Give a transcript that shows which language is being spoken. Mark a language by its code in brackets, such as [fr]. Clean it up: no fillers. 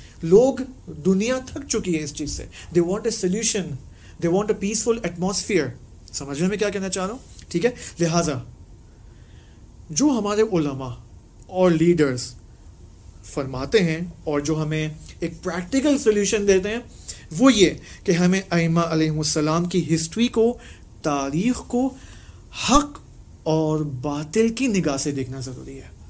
[ur] لوگ دنیا تھک چکی ہے اس چیز سے. [en] They want a solution, they want a peaceful atmosphere. [ur] سمجھ میں کیا کہنا چاہ رہا ہوں, ٹھیک ہے. لہذا جو ہمارے علماء اور لیڈرز فرماتے ہیں اور جو ہمیں ایک پریکٹیکل سولوشن دیتے ہیں, وہ یہ کہ ہمیں ائمہ علیہ السلام کی ہسٹری کو, تاریخ کو حق اور باطل کی نگاہ سے دیکھنا ضروری ہے.